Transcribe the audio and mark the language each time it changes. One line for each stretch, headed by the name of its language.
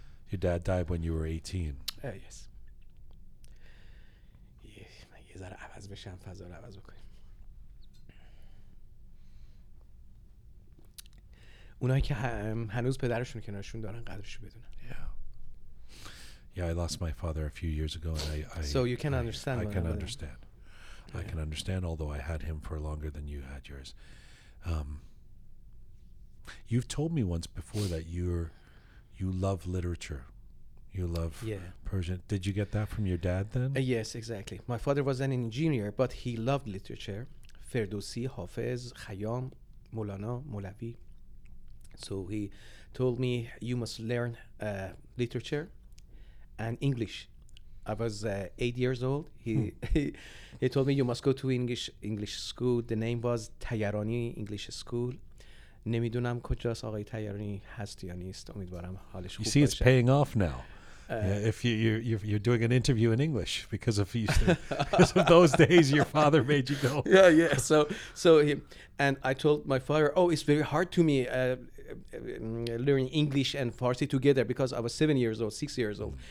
English: Your dad died when you were 18. Yes.
Persian: من یه ذره عوض بشم، فضا رو عوض بکنیم. اونایی که هنوز پدرشون کنارشون دارن قدرشو بدونن.
English: Yeah, I lost my father a few years ago, and I can understand, although I had him for longer than you had yours. You've told me once before that you love literature, you love Persian. Did you get that from your dad then? Yes, exactly. My father was an engineer, but he loved literature, Ferdowsi, Hafez, Khayyam, Molana, Molavi. So he told me you must learn literature and English. I was 8 years old. He told me you must go to English school. The name was Tayarani English School.
Persian: نمیدونم کجاست آقای تیارانی هست یا نیست. امیدوارم حالش خوب باشه.
English: You see, it's paying off now. If you're doing an interview in English because of those days your father made you go. Yeah. So I told my father, oh, it's very hard to me learning English and Farsi together because I was 7 years old, 6 years old.